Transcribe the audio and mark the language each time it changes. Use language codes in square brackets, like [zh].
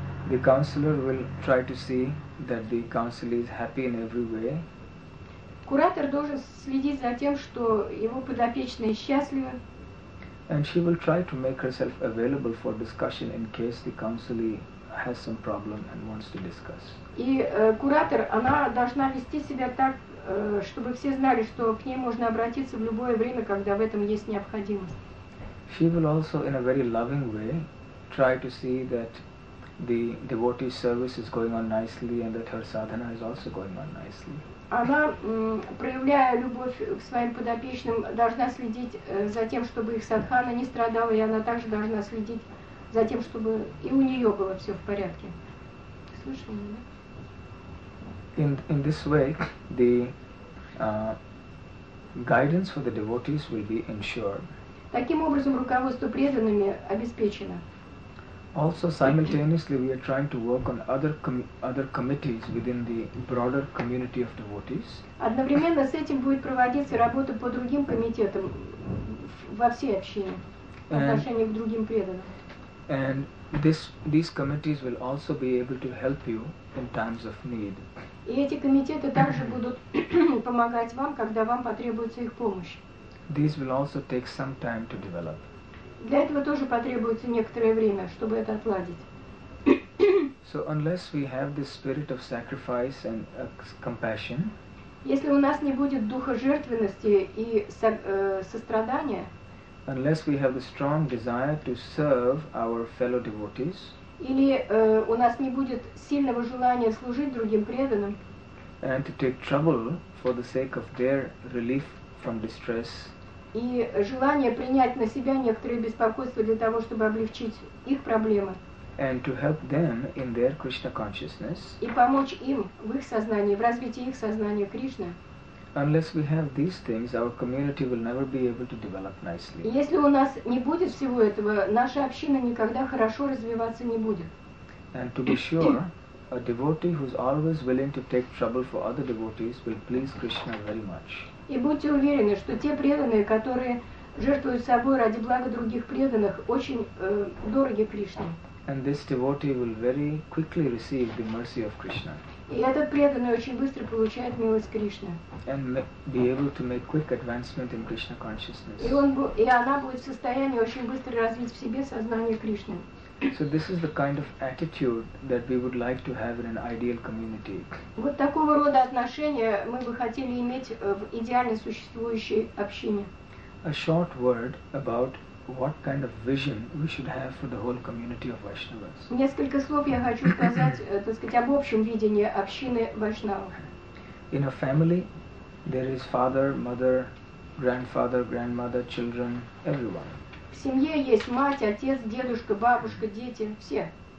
[en] The counselor will try to see that the counselee is happy in every way. [ru] Куратор должен следить за тем, что его подопечные счастливы. [en] And she will try to make herself available for discussion in case the counselee has some problem and wants to discuss. [ru] И куратор, она должна вести себя так, чтобы все знали, что к ней можно обратиться в любое время, когда в этом есть необходимость. [en] She will also, in a very loving way, try to see that the devotee's service is going on nicely and that her sadhana is also going on nicely. [ru] Она, проявляя любовь к своим подопечным, должна следить за тем, чтобы их садхана не страдала, и она также должна следить за тем, чтобы и у нее было все в порядке. Слышали меня? [en] In this way, the guidance for the devotees will be ensured. [ru] Таким образом, руководство преданными обеспечено. [en] Also, simultaneously, we are trying to work on other committees within the broader community of devotees. [ru] Одновременно с этим будет проводиться работа по другим комитетам во всей общине в отношении к другим преданным. [en] And these committees will also be able to help you in times of need. [ru] И эти комитеты также будут помогать вам, когда вам потребуется их помощь. [en] These will also take some time to develop. [ru] Для этого тоже потребуется некоторое время, чтобы это отладить. [en] So unless we have this spirit of sacrifice and compassion, [ru] если у нас не будет духа жертвенности и сострадания, [en] unless we have a strong desire to serve our fellow devotees, [ru] или у нас не будет сильного желания служить другим преданным, [en] and to take trouble for the sake of their relief from distress, [ru] и желание принять на себя некоторые беспокойства для того, чтобы облегчить их проблемы. [en] And to help them in their Krishna consciousness. [ru] И помочь им в их сознании, в развитии их сознания Кришны. [en] Unless we have these things, our community will never be able to develop nicely. [ru] Если у нас не будет всего этого, наша община никогда хорошо развиваться не будет. [en] And to be sure, a devotee who's always willing to take trouble for other devotees will please Krishna very much. [ru] И будьте уверены, что те преданные, которые жертвуют собой ради блага других преданных, очень дороги Кришне. [en] And this devotee will very quickly receive the mercy of Krishna. [ru] И этот преданный очень быстро получает милость Кришны. [en] And be able to make quick advancement in Krishna consciousness. [ru] И она будет в состоянии очень быстро развить в себе сознание Кришны. [en] So this is the kind of attitude that we would like to have in an ideal community. [ru] Вот такого рода отношения мы бы хотели иметь в идеально существующей общине. [en] A short word about what kind of vision we should have for the whole community of Vaishnavas. [ru] Несколько слов я хочу сказать, так сказать, об общем видении общины Вайшнавов. [en] In a family, there is father, mother, grandfather, grandmother, children, everyone. [ru] В семье есть мать, отец, дедушка, бабушка, дети, все.